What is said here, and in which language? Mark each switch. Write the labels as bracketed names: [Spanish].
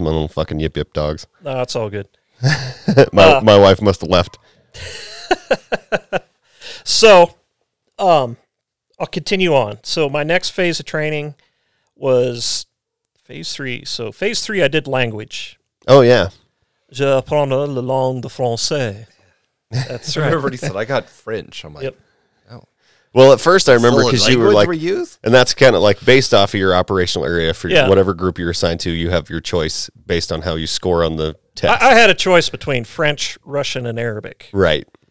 [English] My little fucking yip yip dogs. No, it's all good. my wife must have left. So, I'll continue on. So my next phase of training was phase 3. So phase 3, I did language. Oh, yeah. [French] Je apprends la langue de français. [English] That's right. Everybody said, I got French. I'm like, Well, at first I remember because you were like, and that's kind of like based off of your operational area for whatever group you're assigned to, you have your choice based on how you score on the test. I had a choice between French, Russian, and Arabic. Right.